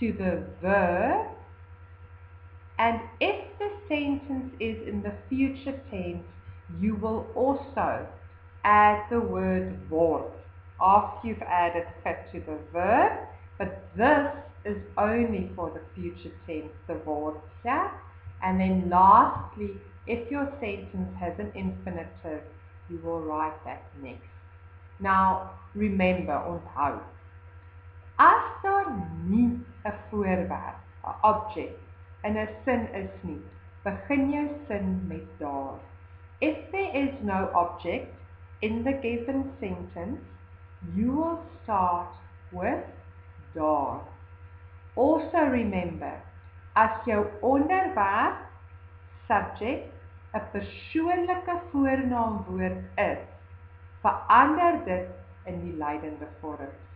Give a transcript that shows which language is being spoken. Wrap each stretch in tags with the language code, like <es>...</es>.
<en>to the verb, and if the sentence is in the future tense, you will also add the word word after you've added fit to the verb, but this is only for the future tense, the word here. And then lastly, if your sentence has an infinitive, you will write that next. Now, remember,</en> <af>onthou, as daar nie 'n voorwerp, 'n object, in 'n sin is nie, begin jou sin met daar.</af> <en>If there is no object in the given sentence, you will start with daar. Also remember,</en> <af>as jou onderwerp, subject, 'n persoonlike voornaamwoord is, verander dit in die lydende vorm.</af>